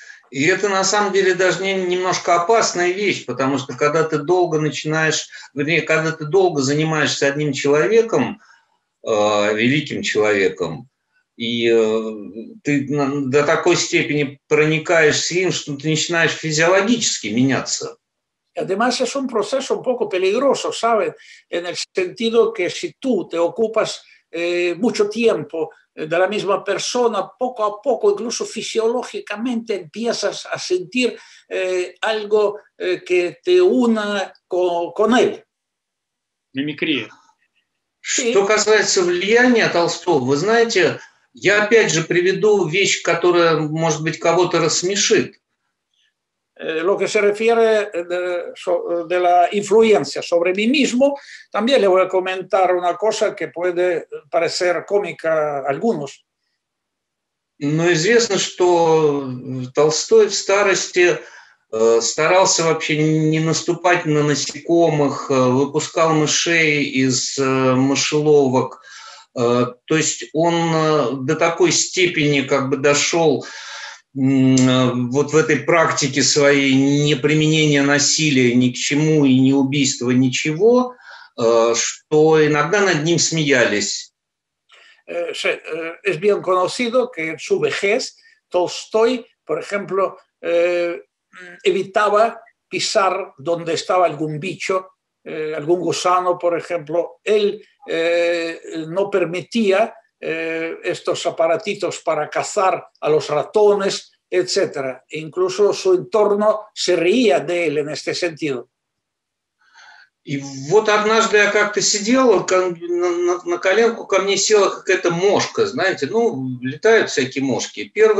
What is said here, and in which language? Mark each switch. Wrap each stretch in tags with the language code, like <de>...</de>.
<ru>И это на самом деле даже немножко опасная вещь, потому что когда ты долго занимаешься одним человеком, великим человеком, и ты до такой степени проникаешься им, что ты начинаешь физиологически меняться.</ru> <es>Además es un proceso un poco peligroso, ¿sabes? En el sentido que si tú te ocupas mucho tiempo de la misma persona, poco a poco, incluso fisiológicamente, empiezas a sentir algo que te una con él. Мимикрия.</es> <ru>Что касается влияния Толстого, вы знаете, я опять же приведу вещь, которая, может быть, кого-то рассмешит.</ru> <es>Lo que se refiere de la influencia sobre mí mismo, también le voy a comentar una cosa que puede parecer cómica a algunos.</es> <ru>Ну, известно, что Толстой в старости старался вообще не наступать на насекомых, выпускал мышей из мышеловок. То есть он до такой степени как бы дошел вот в этой практике своей неприменения насилия ни к чему и не убийства ничего, что иногда над ним смеялись.</ru> <es>es bien conocido que en su vejez Tolstoy, por ejemplo, evitaba pisar donde estaba algún bicho, algún gusano, por ejemplo. Él no permitía estos aparatitos para cazar a los ratones, etc. E incluso su entorno se reía de él en este sentido.</es> <ru>И вот однажды я как-то сидел, на коленку ко мне села какая-то мошка, знаете, ну, летают всякие мошки.</ru>